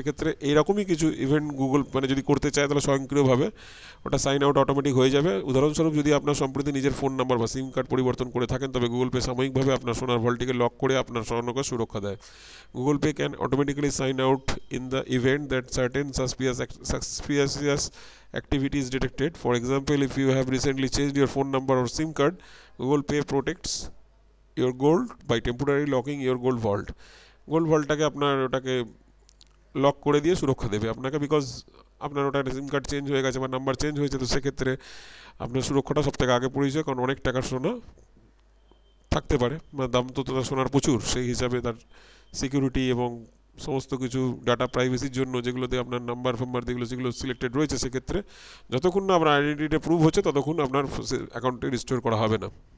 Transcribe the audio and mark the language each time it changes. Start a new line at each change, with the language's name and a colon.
Bangla: সেক্ষেত্রে এইরকমই কিছু ইভেন্ট গুগল মানে যদি করতে চায় তাহলে স্বয়ংক্রিয়ভাবে ওটা সাইন আউট অটোমেটিক হয়ে যাবে। উদাহরণস্বরূপ যদি আপনার সম্প্রতি নিজের ফোন নাম্বার বা সিম কার্ড পরিবর্তন করে থাকেন তবে গুগল পে সাময়িকভাবে আপনার সোনার ভল্টটিকে লক করে আপনার স্বর্ণকে সুরক্ষা দেয়।
English: Google Pay can automatically sign out in the event that certain suspicious activity is detected. For example, if you have recently changed your phone number or SIM card, Google Pay protects your gold by temporarily locking your gold vault.
Bangla: Gold vault টাকে আপনার ওটাকে lock করে দিয়ে সুরক্ষা দেবে আপনাকে, because আপনার ওটা সিম কার্ড চেঞ্জ হয়ে গেছে বা নাম্বার চেঞ্জ হয়েছে তো সেক্ষেত্রে আপনার সুরক্ষাটা সব থেকে আগে পড়েছে, কারণ অনেক টাকার সোনা থাকতে পারে, মানে দাম তো তার সোনার প্রচুর, সেই হিসাবে তার সিকিউরিটি এবং সমস্ত কিছু ডাটা প্রাইভেসির জন্য যেগুলোতে আপনার নাম্বার ফাম্বার যেগুলো যেগুলো সিলেক্টেড রয়েছে সেক্ষেত্রে যতক্ষণ না আপনার আইডেন্টিটি প্রুভ হচ্ছে ততক্ষণ আপনার অ্যাকাউন্টে রিস্টোর করা হবে না।